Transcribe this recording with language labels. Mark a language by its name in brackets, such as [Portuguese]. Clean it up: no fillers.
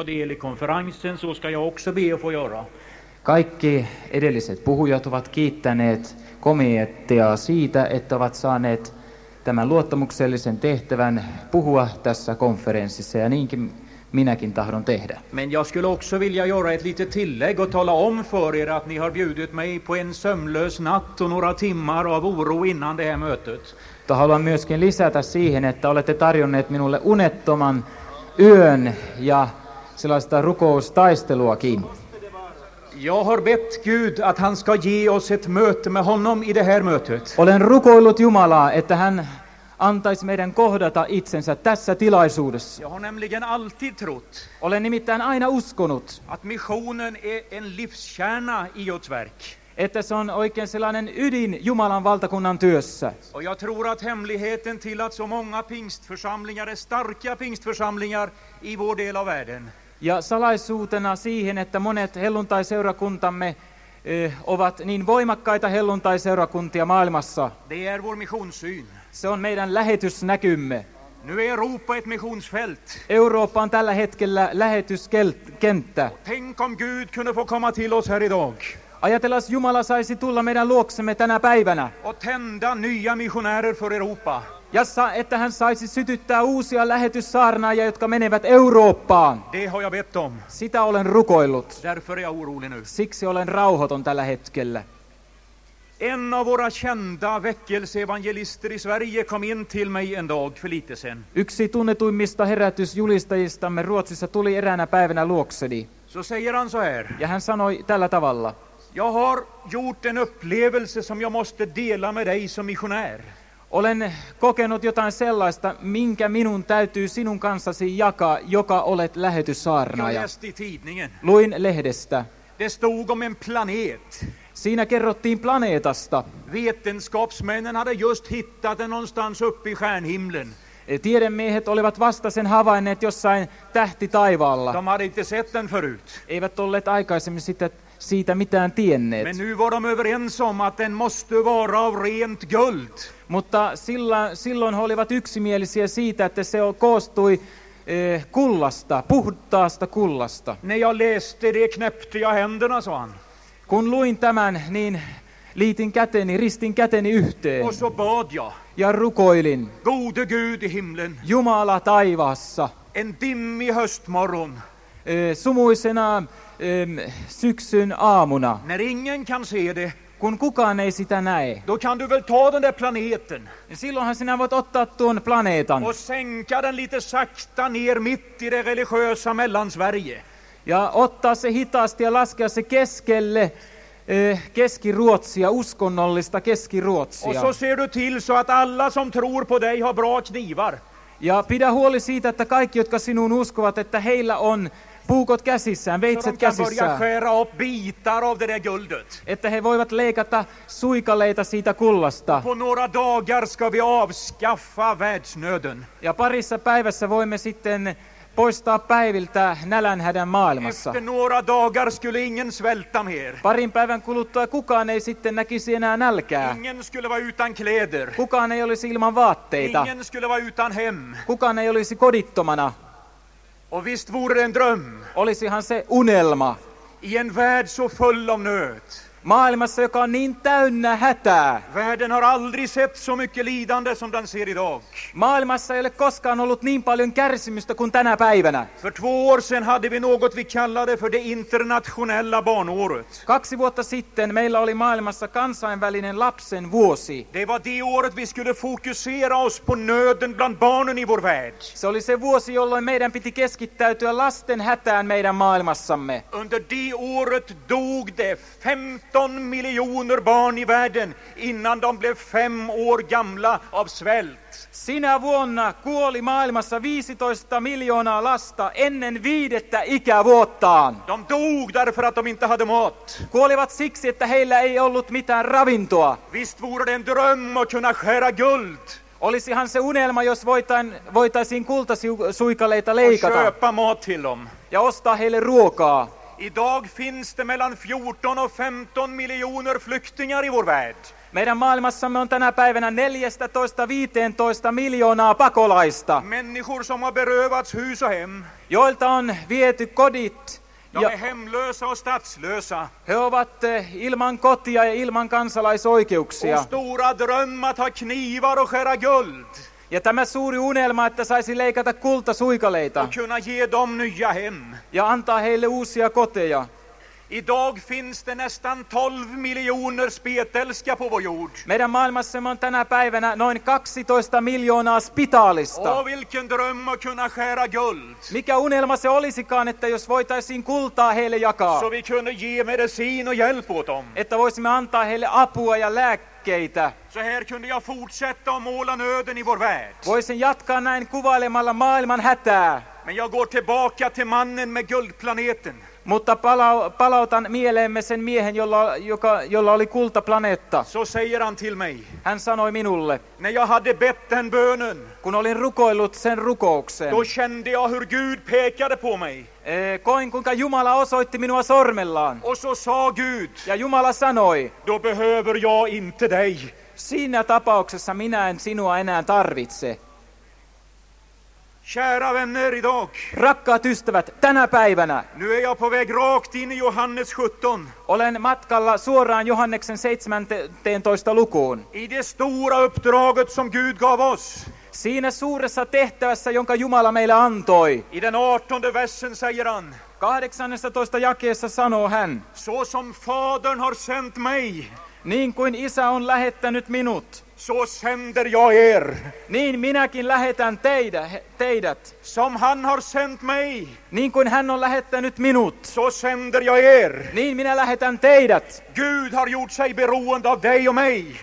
[Swedish] del i konferensen, så ska jag också be att få göra. [Finnish] Kaikki edelliset puhujat ovat kiittäneet komiteaa siitä, että ovat saaneet tämän luottamuksellisen tehtävän puhua tässä konferenssissa, ja niinkin minäkin tahdon tehdä. [Swedish] Men jag skulle också vilja göra ett litet tillägg och tala om för er att ni har bjudit mig på en sömlös natt och några timmar av oro innan det här mötet. [Finnish] Haluan myöskin lisätä siihen, että olette tarjonneet minulle unettoman yön ja sellaista rukoustaisteluakin. [Swedish] Jag har bett Gud att han ska ge oss ett möte med honom i det här mötet. [Finnish] Olen rukoillut Jumalaa, että hän antaisi meidän kohdata itsensä tässä tilaisuudessa. [Swedish] Jag har nämligen alltid trott. [Finnish] Olen nimittäin aina uskonut. [Swedish] Att missionen är en livskärna i Guds verk. [Finnish] Että se on oikein sellainen ydin Jumalan valtakunnan työssä. [Swedish] Och jag tror att hemligheten till att så många pingstförsamlingar är starka pingstförsamlingar i vår del av världen. [Finnish] Ja salaisuutena siihen, että monet helluntaiseurakuntamme ovat niin voimakkaita helluntaiseurakuntia maailmassa. [Swedish] Det är vår missionssyn. [Finnish] Se on meidän lähetysnäkymme. [Swedish] Nu är Europa ett missionsfält. [Finnish] Eurooppa on tällä hetkellä lähetyskenttä. [Swedish] Tänk om Gud kunde få komma till oss här idag. [Finnish] Ajatellas, Jumala saisi tulla meidän luoksemme tänä päivänä. [Swedish] Och tända nya missionärer för Europa. [Finnish] Jassa, että hän saisi sytyttää uusia lähetyssaarnaajia, jotka menevät Eurooppaan. [Swedish] Det har jag bett om. [Finnish] Sitä olen rukoillut. [Swedish] Därför är jag orolig nu. [Finnish] Siksi olen rauhoton tällä hetkellä. [Swedish] En av våra kända väckelseevangelister i Sverige kom in till mig en dag för lite sen. [Finnish] Yksi tunnetuimmista herätysjulistajistamme Ruotsissa tuli eräänä päivänä luokseni. [Swedish] Så säger han så här. [Finnish] Ja hän sanoi tällä tavalla. [Swedish] Jag har gjort en upplevelse som jag måste dela med dig som missionär. [Finnish] Olen kokenut jotain sellaista, minkä minun täytyy sinun kanssasi jakaa, joka olet lähetyssaarnaaja. Luin lehdestä. [Swedish] Det stod om en planet. [Finnish] Siinä kerrottiin planeetasta. [Swedish] Vetenskapsmännen hade just hittat den någonstans uppe i stjärnhimlen. [Finnish] Tiedemiehet olivat vasta sen havainneet jossain tähti taivaalla. [Swedish] De hade inte sett den förut. [Finnish] Eivät olleet aikaisemmin sitten siitä mitään tienneet. [Swedish] Men nu var de överens om att den måste vara av rent guld. [Finnish] Mutta silloin he olivat yksimielisiä siitä, että se koostui kullasta, puhtaasta kullasta. [Swedish] När jag läste det knäppte jag händerna, sa han. [Finnish] Kun luin tämän, niin liitin käteni, ristin käteni yhteen. [Swedish] Och så bad jag. [Finnish] Ja rukoilin. [Swedish] Gode Gud i himlen. [Finnish] Jumala taivaassa. [Swedish] En dimmi höstmorgon. [Finnish] Sumuisena syksyn aamuna. [Swedish] När ingen kan se det. [Finnish] Kun kukaan ei sitä näe. [Swedish] Då kan du väl ta den där planeten. [Finnish] Silloinhan sinä voit ottaa tuon planeetan. [Swedish] Och sänka den lite sakta ner mitt i det religiösa Mellansverige. [Finnish] Ja ottaa se hitaasti ja laskea se keskelle Keski-Ruotsia, uskonnollista Keski-Ruotsia. [Swedish] Och så ser du till så att alla som tror på dig har bra knivar. [Finnish] Ja pidä huoli siitä, että kaikki, jotka sinuun uskovat, että heillä on puukot käsissään, veitset käsissään. [Swedish] Så de kan börja skära upp bitar av det där guldet. [Finnish] Että he voivat leikata suikaleita siitä kullasta. [Swedish] På några dagar ska vi avskaffa världsnöden. [Finnish] Ja parissa päivässä voimme sitten poistaa päiviltä nälänhädän maailmassa. [Swedish] Efter några dagar skulle ingen svälta mer. [Finnish] Parin päivän kuluttua kukaan ei sitten näkisi enää nälkää. [Swedish] Ingen skulle vara utan kläder. [Finnish] Kukaan ei olisi ilman vaatteita. [Swedish] Ingen skulle vara utan hem. [Finnish] Kukaan ei olisi kodittomana. [Swedish] Och visst vore det en dröm. [Finnish] Olisihan se unelma. [Swedish] I en värld så full av nöd. [Finnish] Maailmassa, joka on niin täynnä hätää. [Swedish] Världen har aldrig sett så mycket lidande som den ser idag. [Finnish] Maailmassa ei ole koskaan ollut niin paljon kärsimystä kuin tänä päivänä. [Swedish] För två år sedan hade vi något vi kallade för det internationella barnåret. [Finnish] 2 vuotta sitten meillä oli maailmassa kansainvälinen lapsen vuosi. [Swedish] Det var det året vi skulle fokusera oss på nöden bland barnen i vår värld. [Finnish] Se oli se vuosi, jolloin meidän piti keskittäytyä lasten hätään meidän maailmassamme. [Swedish] Under det året dog det 15 miljoner barn i världen innan de blev 5 år gamla av svält. [Finnish] Sinä vuonna kuoli maailmassa 15 miljoonaa lasta ennen 5:tä ikävuottaan. [Swedish] De dog därför att de inte hade mat. [Finnish] Kuolivat siksi, että heillä ei ollut mitään ravintoa. [Swedish] Visst vore det en dröm att kunna skära guld. [Finnish] Olisihan se unelma, jos voitaisiin kultasuikaleita leikata. [Swedish] Och köpa mat till dem. [Finnish] Ja ostaa heille ruokaa. [Swedish] Idag finns det mellan 14 och 15 miljoner flyktingar i vår värld. [Finnish] Meidän maailmassamme on tänä päivänä 14-15 miljoonaa pakolaista. [Swedish] Människor som har berövats hus och hem. [Finnish] Joltan viety kodit. [Swedish] De är hemlösa och statslösa. [Finnish] He ovat ilman kotia ja ilman kansalaisoikeuksia. [Swedish] Och stora drömmar att ha knivar och skära guld. [Finnish] Ja tämä suuri unelma, että saisi leikata kultasuikaleita. [Swedish] Och kunna ge dem nya hem. [Finnish] Ja antaa heille uusia koteja. [Swedish] Idag finns det nästan 12 miljoner spetälska på vår jord. [Finnish] Meidän maailmassa on tänä päivänä noin 12 miljoonaa spitaalista. [Swedish] Oh, vilken dröm att kunna skära guld. [Finnish] Mikä unelma se olisikaan, että jos voitaisiin kultaa heille jakaa. [Swedish] Så vi kunde ge medicin och hjälp åt dem. [Finnish] Että voisimme antaa heille apua ja lääkkeitä. [Swedish] Så här kunde jag fortsätta att måla nöden i vår värld. [Finnish] Voisin jatkaa näin kuvailemalla maailman hätää. [Swedish] Men jag går tillbaka till mannen med guldplaneten. [Finnish] Mutta palautan mieleemme sen miehen, jolla oli kultaplaneetta. [Swedish] Så säger han till mig. [Finnish] Hän sanoi minulle. [Swedish] När jag hade bett den bönen. [Finnish] Kun olin rukoillut sen rukouksen. [Swedish] Då kände jag hur Gud pekade på mig. [Finnish] Koin kuinka Jumala osoitti minua sormellaan. [Swedish] Och så sa Gud. [Finnish] Ja Jumala sanoi. [Swedish] Då behöver jag inte dig. [Finnish] Siinä tapauksessa minä en sinua enää tarvitse. [Swedish] Kära vänner idag. [Finnish] Rakkaat ystävät, tänä päivänä. [Swedish] Nu är jag på väg rakt in i Johannes 17. [Finnish] Olen matkalla suoraan Johanneksen 17 lukuun. [Swedish] I det stora uppdraget som Gud gav oss. [Finnish] Siinä suuressa tehtävässä, jonka Jumala meille antoi. [Swedish] I den 18 versen säger han. [Finnish] 18 jakeessa sanoo hän. [Swedish] Så som fadern har sent mig. [Finnish] Niin kuin isä on lähettänyt minut. [Swedish] Så sänder jag er. [Finnish] Niin minäkin lähetän teidät. [Swedish] Som han har sänt mig. [Finnish] Niin kuin hän on lähettänyt minut. [Swedish] Så sänder jag er. [Finnish] Niin minä lähetän teidät. [Swedish] Gud har gjort sig beroende av dig och mig.